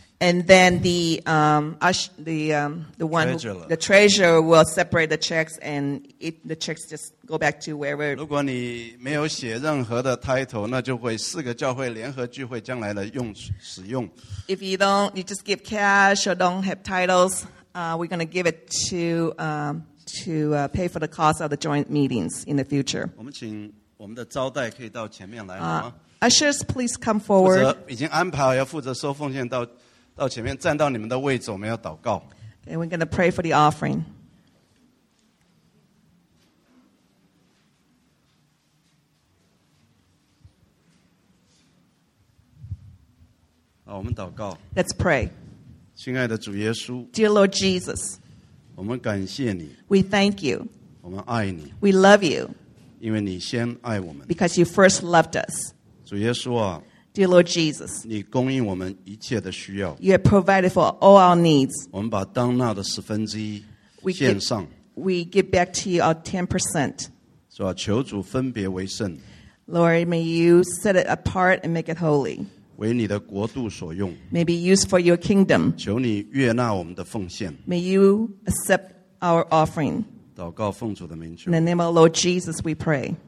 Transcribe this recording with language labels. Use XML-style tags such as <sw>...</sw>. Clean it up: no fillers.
<en>And then the treasurer will separate the checks, and the checks just go back to wherever.</en> <zh>如果你没有写任何的 title, 那就会四个教会联合聚会将来的用使用。</zh> <en>If you don't, you just give cash or don't have titles, we're going to give it to pay for the cost of the joint meetings in the future.</en> <zh>我们请我们的招待可以到前面来了吗?</zh> <en>Ushers, please come forward.</en> <zh>已经安排要负责收奉献到 到前面站到你们的位置, 我们要祷告。</zh> <en>Okay, we're going to pray for the offering.</en> <zh>好, 我们祷告。</zh> <en>Let's pray.</en> <zh>亲爱的主耶稣,</zh> <en>Dear Lord Jesus,</en> <zh>我们感谢你。</zh> <en>We thank you.</en> <zh>我们爱你。</zh> <en>We love you.</en> <zh>因为你先爱我们。</zh> <en>Because you first loved us.</en> <zh>主耶稣啊,</zh> <en>Dear Lord Jesus,</en> <zh>你供应我们一切的需要,</zh> <en>you have provided for all our needs.</en> <zh>我们把当纳的十分之一献上,</zh> <en>we give back to you our 10%.</en> <zh>是吧, 求主分别为圣,</zh> <en>Lord, may you set it apart and make it holy.</en> <zh>为你的国度所用,</zh> <en>may be used for your kingdom.</en> <zh>求你悦纳我们的奉献,</zh> <en>may you accept our offering.</en> <zh>祷告奉主的名求。</zh> <en>In the name of Lord Jesus, we pray.</en>